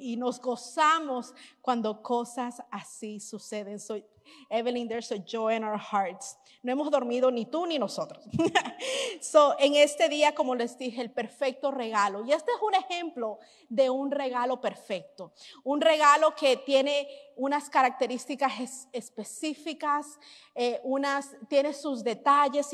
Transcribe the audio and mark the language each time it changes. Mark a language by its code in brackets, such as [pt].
[es] Y nos gozamos cuando cosas así suceden. [en] So, Evelyn, there's a joy in our hearts. [es] No hemos dormido ni tú ni nosotros. So, en este día, como les dije, el perfecto regalo. Y este es un ejemplo de un regalo perfecto. Un regalo que tiene unas características específicas, tiene sus detalles.